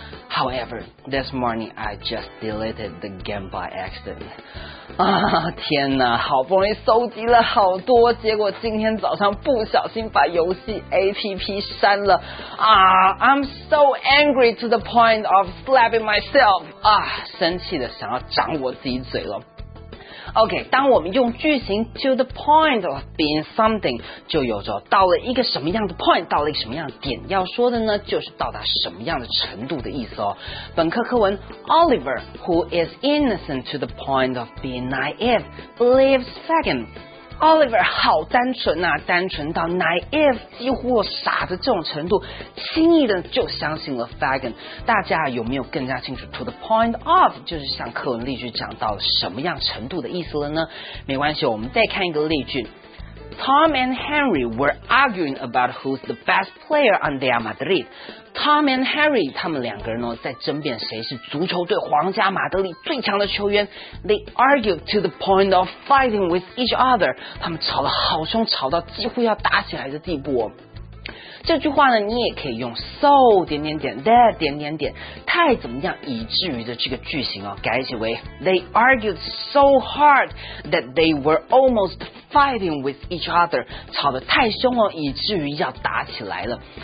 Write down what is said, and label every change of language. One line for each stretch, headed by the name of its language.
English: However, this morning I just deleted the game by accident.
Chinese: 天哪，好不容易搜集了好多，结果今天早上不小心把游戏APP删了。
English: I'm so angry to the point of slapping myself.
Chinese: 生气的想要掌我自己嘴了。 OK, 当我们用句型
English: to the point of being something,
Chinese: 就有着到了一个什么样的 point, 到了一个什么样的点要说的呢就是到达什么样的程度的意思哦。本课课文
English: Oliver, who is innocent to the point of being naive, believes second.
Chinese: Oliver 好单纯啊，单纯到 naive 几乎傻的这种程度，轻易的就相信了 Fagin。大家有没有更加清楚
English: to the point of
Chinese: 就是像课文例句讲到什么样程度的意思了呢？没关系，我们再看一个例句。
English: Tom and Henry were arguing about who's the best player on Real Madrid。
Chinese: Tom and Henry 他们两个人呢在争辩谁是足球队皇家马德里最强的球员。
English: They argued to the point of fighting with each other。
Chinese: 他们吵得好凶，吵到几乎要打起来的地步哦。这句话呢你也可以用 so 点点点 that 点点点太怎么样以至于的这个句型哦，改写为
English: They argued so hard that they were almost fighting with each other，
Chinese: 吵得太凶哦，以至于要打起来了。